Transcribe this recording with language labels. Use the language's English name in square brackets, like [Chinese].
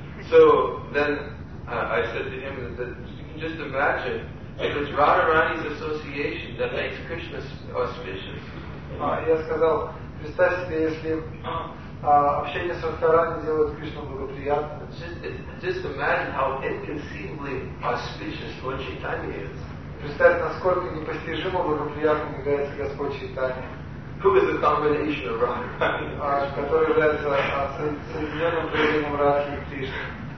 [English] So then I said to him that you can just imagine if it's Radharani's association that makes Krishna auspicious. [Russian] Я сказал, представь себе, если общение с Радхарани делает Кришну благоприятным. [English] Just imagine how inconceivably auspicious Lord Chaitanya is. [Russian] Представь, насколько непостижимо благоприятным является Господь Чайтанья. [English] Who is the combination of Radharani and Krishna?